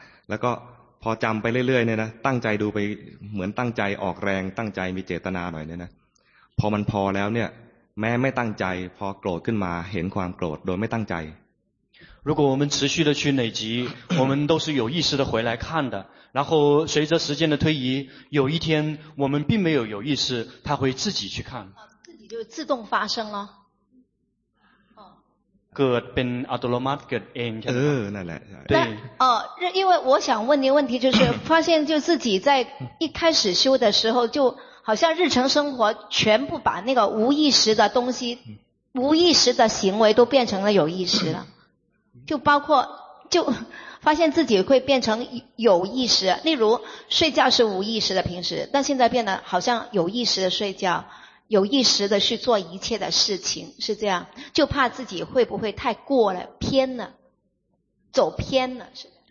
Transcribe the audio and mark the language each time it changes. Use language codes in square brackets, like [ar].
[th] แล้วก็พอจำไปเรื่อยๆเนี่ยนะตั้งใจดูไปเหมือนตั้งใจออกแรงตั้งใจมีเจตนาหน่อยเนี่ยนะพอมันพอแล้วเนี่ยแม้ไม่ตั้งใจพอโกรธขึ้นมาเห็นความโกรธโดยไม่ตั้งใจ [zh] 如果我们持续的去累积我们都是有意识的回来看的然后随着时间的推移有一天我们并没有有意识他会自己去看自己就自动发生了 [th] เกิดเป็นอัตโนมัติเกิดเองใช่ไ หมนั่นแหละ ใ [zh] ช่因为我想问您问题就是发现就自己在一开始修的时候就好像日常生活全部把那个无意识的东西无意识的行为都变成了有意识了就包括就发现自己会变成有意识例如睡觉是无意识的平时但现在变得好像有意识的睡觉有意识的去做一切的事情是这样就怕自己会不会太过了偏了走偏了是